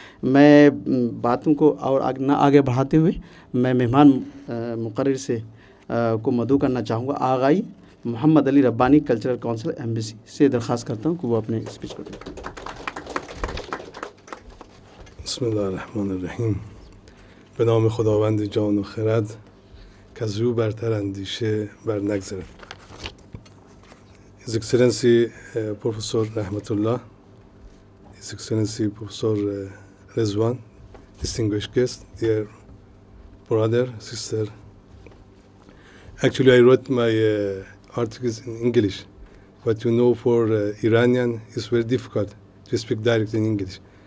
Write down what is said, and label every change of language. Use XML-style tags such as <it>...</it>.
<hi>मैं बातों को और आगे बढ़ाते हुए मैं मेहमान मुकर्रर से को मदु करना चाहूँगा. आगाई Mohammad Ali Rabbani cultural council embassy से दरख्वास्त करता हूँ कि वो अपने स्पीच को दें.</hi> <ar>بسم الله الرحمن الرحیم.</ar> <fa>به نام خداوند جان و خرد که از رو برتر اندیشه بر نگذرد.</fa> <en>His Excellency Professor Rahmatullah, His Excellency Professor Rizwan, Distinguished Guest, Dear Brother, Sister. Actually, I wrote my articles in English, but you know for Iranian it's very difficult to speak directly in English.</en>